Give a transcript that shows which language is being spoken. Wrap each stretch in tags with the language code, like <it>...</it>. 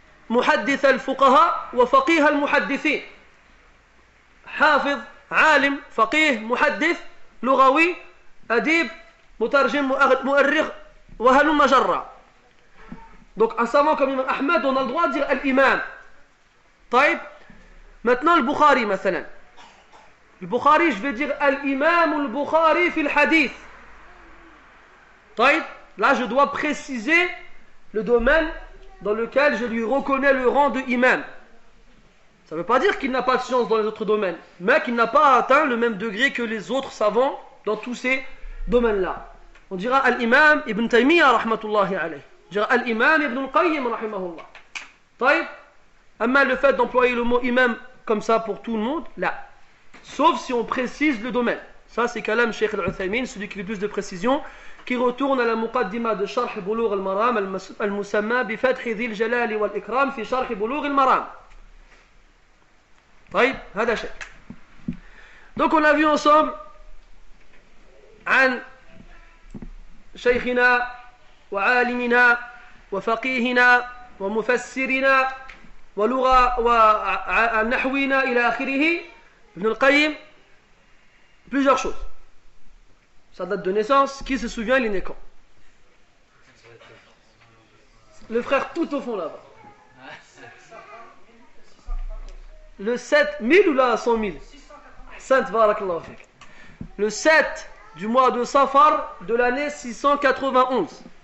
<ar>محدث الفقهاء وفقيه المحدثين حافظ عالم فقيه محدث لغوي أديب مترجم مؤرخ وهل مجرى دونك ان</ar> <fr>savant comme Imam Ahmad on a le droit de dire l'imam. طيب maintenant le Bukhari مثلا le Bukhari je vais dire l'imam al-Bukhari fi al-hadith. طيب là je dois préciser le domaine dans lequel je lui reconnais le rang de imam. Ça ne veut pas dire qu'il n'a pas de science dans les autres domaines, mais qu'il n'a pas atteint le même degré que les autres savants dans tous ces domaines-là. On dira al-imam ibn Taymiyyah rahmatullahi alayhi. On dira al-imam ibn al-Qayyim rahimahullah. Taïb, amma le fait d'employer le mot imam comme ça pour tout le monde, là. Sauf si on précise le domaine. Ça c'est kalam Cheikh al-Uthaymin, celui qui a le plus de précision, qui retourne à la muqaddima de Sharh Bulugh al-Maram al-Musamma bi Fath Dhil Jalal wal Ikram fi Sharh Bulugh al-Maram.</fr> <ar>طيب هذا شيء.</ar> <fr>Donc on a vu ensemble</fr> <ar>عن شيخنا وعالمنا وفقيهنا ومفسرنا ولغة ونحونا إلى آخره ابن القيم</ar> <fr>plusieurs choses. Sa date de naissance, qui se souvient, il est né quand ? Le frère tout au fond là-bas. Le 7000 ou la 100000 ? Sainte Barakallahu Fik. Le 7 du mois de Safar de l'année 691.</fr>